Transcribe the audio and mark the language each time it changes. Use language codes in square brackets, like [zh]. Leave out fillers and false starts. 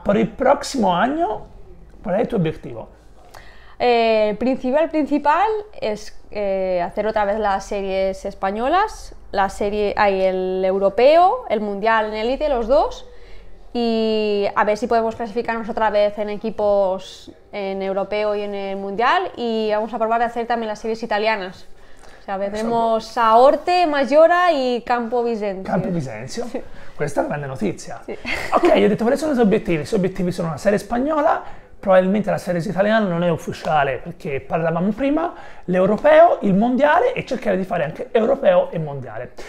[it] Per il prossimo anno, qual è il tuo obiettivo? [es] Principal es hacer otra vez las series españolas, la serie hay el europeo, el mundial en élite, los dos, y a ver si podemos clasificarnos otra vez en equipos en europeo y en el mundial, y vamos a probar de hacer también las series italianas. O sea, vedremos a Orte, Maggiora y Campo Bisenzio. [it] Campo Bisenzio. Sì. Questa è una grande notizia. Sì. Ok, io ho detto quali sono i tuoi obiettivi. I suoi obiettivi sono una serie spagnola. Probabilmente la serie italiana non è ufficiale perché parlavamo prima, l'europeo, il mondiale e cercare di fare anche europeo e mondiale.